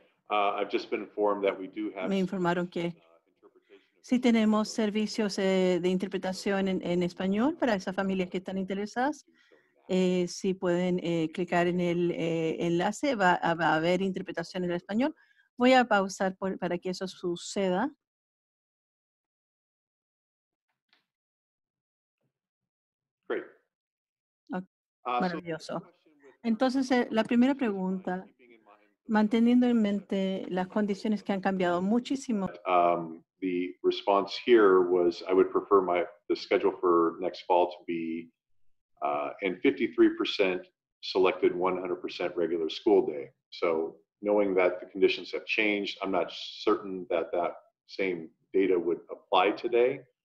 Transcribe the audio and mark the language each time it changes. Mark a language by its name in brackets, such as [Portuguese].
[English] I've just been informed that we do have. [Spanish] Me informaron que sí tenemos servicios de interpretación en español para esas familias que están interesadas. Si pueden clicar en el enlace, va a haber interpretación en español. Voy a pausar para que eso suceda. [English] Great. [Spanish] Maravilloso. Entonces, la primera pregunta, manteniendo en mente las condiciones que han cambiado muchísimo. [English] The response here was, I would prefer the schedule for next fall to be, and 53% selected 100% regular school day. So knowing that the conditions have changed, I'm not certain that that same data would apply today.